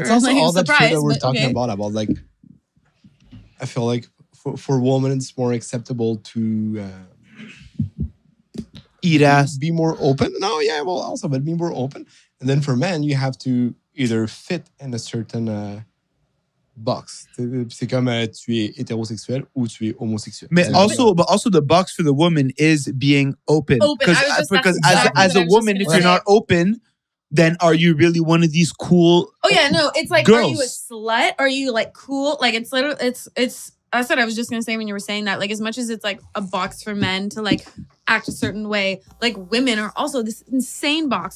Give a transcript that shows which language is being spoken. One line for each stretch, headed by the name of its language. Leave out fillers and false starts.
English: It's also all that shit that we're talking about like, I feel like for women, it's more acceptable to eat ass. Be more open. No, yeah, well, also, but be more open. And then for men, you have to either fit in a certain box.
French: C'est comme tu es hétérosexuel ou tu es homosexuel. Mais
English: also, but also the box for the woman is being open. Because as a woman, if you're not open, then are you really one of these cool girls? Oh yeah, no. It's like, girls. Are you a slut? Are you like cool? Like it's literally, it's that's what I was just going to say when you were saying that. Like as much as it's like a box for men to like act a certain way, like women are also this insane box.